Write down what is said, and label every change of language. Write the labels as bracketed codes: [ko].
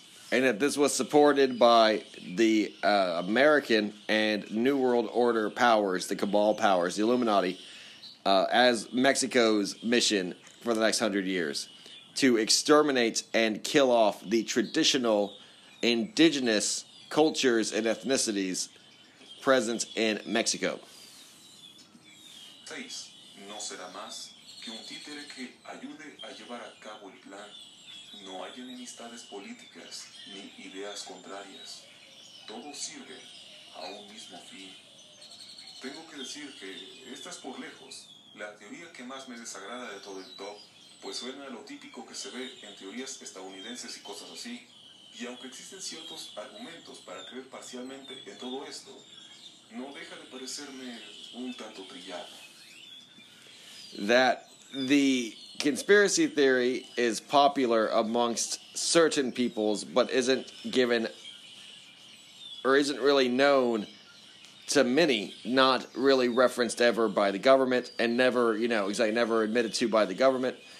[en] And that this was supported by the American and New World Order powers, the Cabal powers, the Illuminati, as Mexico's mission for the next 100 years, to exterminate and kill off the traditional indigenous cultures and ethnicities present in Mexico. [es] No será más que un títere que ayude a llevar a cabo el plan. No hay enemistades políticas ni ideas contrarias. Todo sirve a un mismo fin. Tengo que decir que esta es por lejos la teoría que más me desagrada de todo el top. Pues suena a lo típico que se ve en teorías estadounidenses y cosas así. Y aunque existen ciertos argumentos para creer parcialmente en todo esto, no deja de parecerme un tanto trillado. [en] That the conspiracy theory is popular amongst certain peoples, but isn't given or isn't really known to many, not really referenced ever by the government and never, you know, exactly never admitted to by the government.